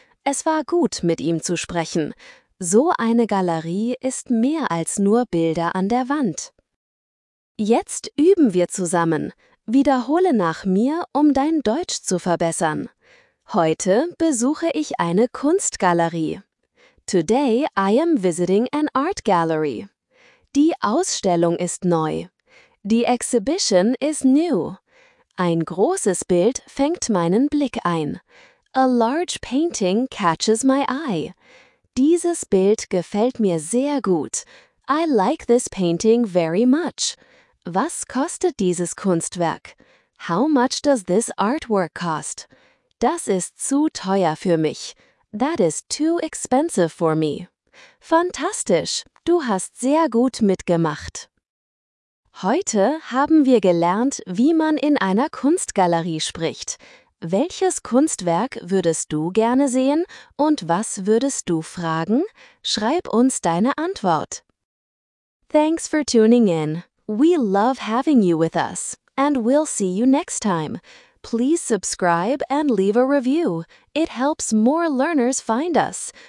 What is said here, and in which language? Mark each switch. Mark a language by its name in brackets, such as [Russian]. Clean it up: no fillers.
[German] Es war gut, mit ihm zu sprechen. So eine Galerie ist mehr als nur Bilder an der Wand. Jetzt üben wir zusammen. Wiederhole nach mir, um dein Deutsch zu verbessern. Heute besuche ich eine Kunstgalerie. [English] Today I am visiting an art gallery. [German] Die Ausstellung ist neu. [English] The exhibition is new. [German] Ein großes Bild fängt meinen Blick ein. [English] A large painting catches my eye. [German] Dieses Bild gefällt mir sehr gut. [English] I like this painting very much. [German] Was kostet dieses Kunstwerk? [English] How much does this artwork cost? [German] Das ist zu teuer für mich. [English] That is too expensive for me. [German] Fantastisch! Du hast sehr gut mitgemacht. Heute haben wir gelernt, wie man in einer Kunstgalerie spricht. Welches Kunstwerk würdest du gerne sehen und was würdest du fragen? Schreib uns deine Antwort. [English] Thanks for tuning in. We love having you with us, and we'll see you next time. Please subscribe and leave a review. It helps more learners find us.